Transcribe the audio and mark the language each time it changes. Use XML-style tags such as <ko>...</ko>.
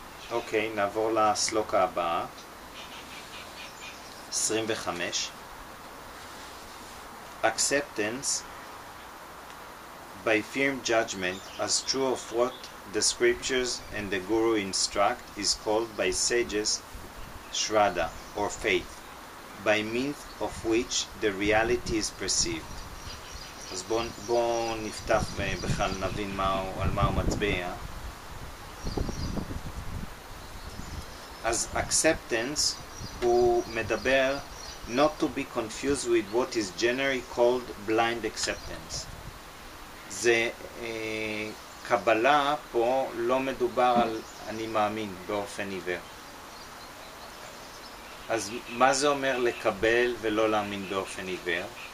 <he>אוקיי, נעבור לסלוקה הבאה. 25.</he> <en>Acceptance by firm judgment as true of what the scriptures and the guru instruct is called by sages shraddha or faith, by means of which the reality is perceived.</en> <he>אז בואו נפתח בכלל נבין על מה הוא מצביע.</he> <en>As acceptance, who</en> <he>medaber,</he> <en>not to be confused with what is generally called blind acceptance.</en> <he>זה קבלה פה לא מדובר על אני מאמין באופן עיוור. אז מה זה אומר לקבל ולא להאמין באופן עיוור?</he>